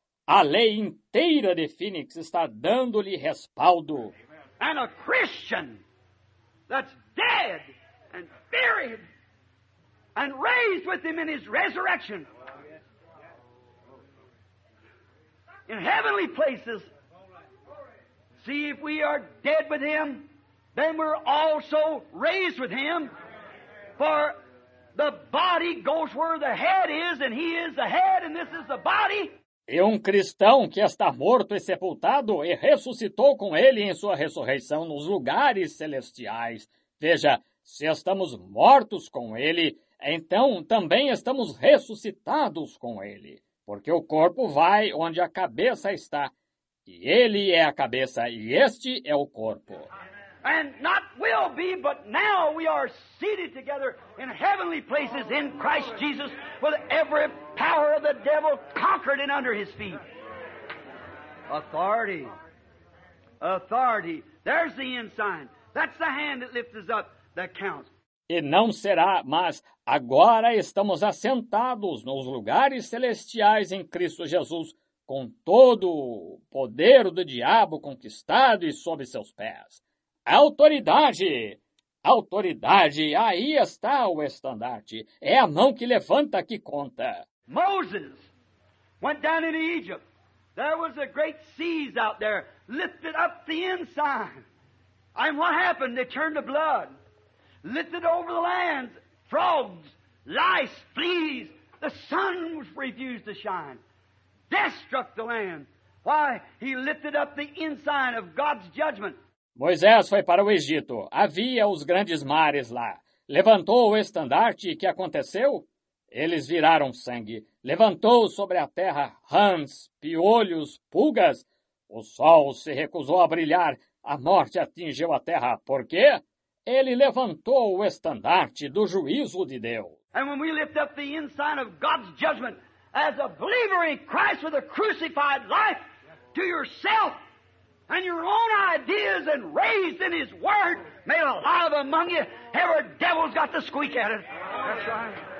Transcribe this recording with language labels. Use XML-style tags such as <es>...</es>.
<pt>A lei inteira de Phoenix está dando-lhe respaldo.</pt> <en>And a Christian that's dead and buried and raised with him in his resurrection in heavenly places. See, if we are dead with him, then we're also raised with him. For the body goes where the head is, and he is the head, and this is the body.</en> <pt>E cristão que está morto e sepultado e ressuscitou com ele em sua ressurreição nos lugares celestiais. Veja, se estamos mortos com ele, então também estamos ressuscitados com ele. Porque o corpo vai onde a cabeça está, e ele é a cabeça, e este é o corpo.</pt> <en>And not will be, but now we are seated together in heavenly places in Christ Jesus with every power of the devil conquered and under his feet. Authority. Authority. There's the ensign. That's the hand that lifts up that counts.</en> <pt>E não será, mas agora estamos assentados nos lugares celestiais em Cristo Jesus, com todo o poder do diabo conquistado e sob seus pés. Autoridade! Autoridade! Aí está o estandarte. É a mão que levanta que conta.</pt> <en>Moses went down into Egypt. There was a great seas out there. Lifted up the ensign. And what happened? They turned to blood. Lifted over the land. Frogs, lice, fleas. The sun refused to shine. Death struck the land. Why? He lifted up the ensign of God's judgment.</en> <pt>Moisés foi para o Egito. Havia os grandes mares lá. Levantou o estandarte e o que aconteceu? Eles viraram sangue. Levantou sobre a terra rãs, piolhos, pulgas. O sol se recusou a brilhar. A morte atingiu a terra. Por quê? Ele levantou o estandarte do juízo de Deus. E quando levantamos o</pt> <en>ensign of God's judgment as a believer in Christ with a crucified life to yourself, and your own ideas and raised in his word made alive among you, every devil's got to squeak at it. That's right.</en>